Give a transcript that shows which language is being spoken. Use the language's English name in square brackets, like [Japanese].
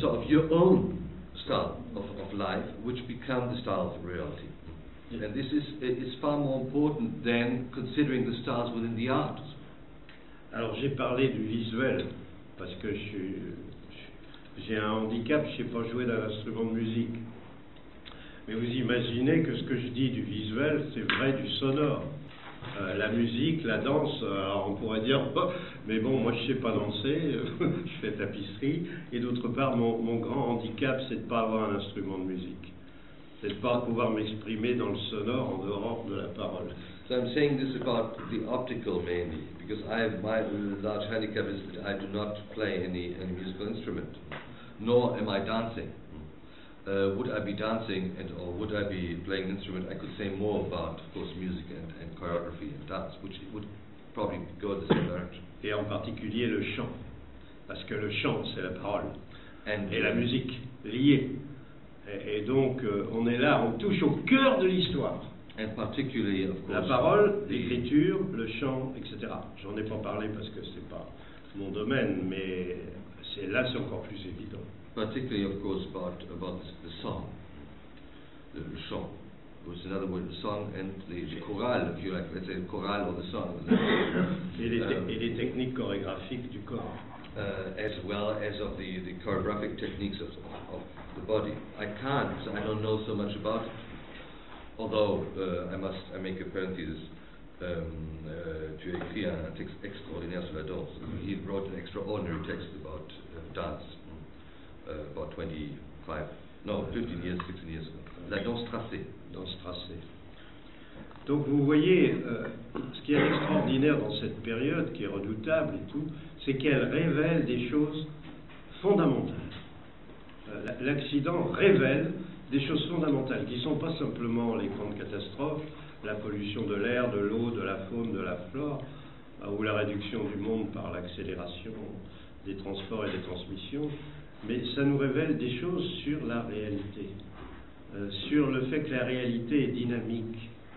[English] So of your own style of life, which become the style of reality. Yeah. And this is far more important than considering the styles within the arts. [French] Alors j'ai parlé du visuel parce que je suis. J'ai un handicap, je ne sais pas jouer d'un instrument de musique. Mais vous imaginez que ce que je dis du visuel, c'est vrai du sonore. La musique, la danse, alors on pourrait dire, oh, mais bon, moi je ne sais pas danser, je fais tapisserie. Et d'autre part, mon grand handicap, c'est de ne pas avoir un instrument de musique. C'est de ne pas pouvoir m'exprimer dans le sonore en dehors de la parole. [English] So I'm saying this about the optical mainly, because I have my large handicap is that I do not play any musical instrument, nor am I dancing. Would I be dancing or would I be playing an instrument, I could say more about, of course, music and choreography and dance, which would probably go in the same direction. [French] Et en particulier le chant, parce que le chant, c'est la parole, et la musique liée. Et donc, on est là, on touche au cœur de l'histoire. [English] And particularly, of course, [French] la parole, l'écriture, le chant, etc. J'en ai pas parlé parce que c'est pas mon domaine, mais c'est là c'est encore plus évident. [English] Particularly, of course, about the song, [French] le chant. [English] Which is another word, the song and the chorale, if you like, let's say the chorale or the song. [French] et les techniques chorégraphiques du corps. [English] As well as of the choreographic techniques of the body. I can't, so I don't know so much about it. Although I make a parenthesis, [French] tu as écrit un texte extraordinaire sur la danse. [English] He wrote an extraordinary text about dance about 15 years, 16 years ago. [French] La danse tracée. Danse tracée. Donc vous voyez, ce qui est extraordinaire dans cette période, qui est redoutable et tout, c'est qu'elle révèle des choses fondamentales. L'accident révèle des choses fondamentales qui ne sont pas simplement les grandes catastrophes, la pollution de l'air, de l'eau, de la faune, de la flore, ou la réduction du monde par l'accélération des transports et des transmissions, mais ça nous révèle des choses sur la réalité, sur le fait que la réalité est dynamique.